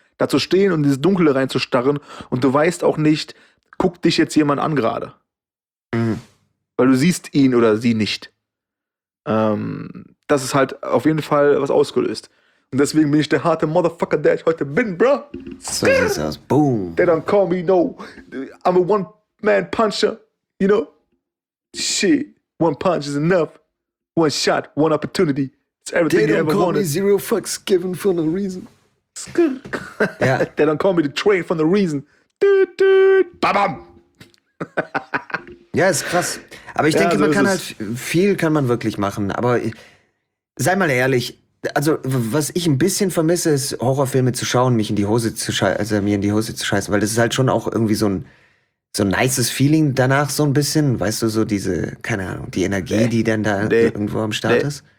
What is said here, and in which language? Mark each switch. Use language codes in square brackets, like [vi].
[de] Da zu stehen und in dieses Dunkle reinzustarren und du weißt auch nicht, guckt dich jetzt jemand an gerade. Mhm. Weil du siehst ihn oder sie nicht. Das ist halt auf jeden Fall was ausgelöst. Und deswegen bin ich der harte Motherfucker, der ich heute bin, bruh. So sieht's aus. Boom. [en] They don't call me, no. I'm a one-man-puncher, you know? Shit, one punch is enough. One shot, one opportunity. It's everything they you ever wanted. They don't call me zero fucks given for no reason. Yeah. They don't call me the train for no reason. Doot, ba-bam. [de] Ja, ist krass. Aber ich denke, so man kann halt, viel kann man wirklich machen. Aber sei mal ehrlich, also was ich ein bisschen vermisse, ist Horrorfilme zu schauen, mich in die Hose zu scheißen, weil das ist halt schon auch irgendwie so ein nices Feeling danach, so ein bisschen, weißt du, so diese, keine Ahnung, die Energie, die dann da irgendwo am Start ist.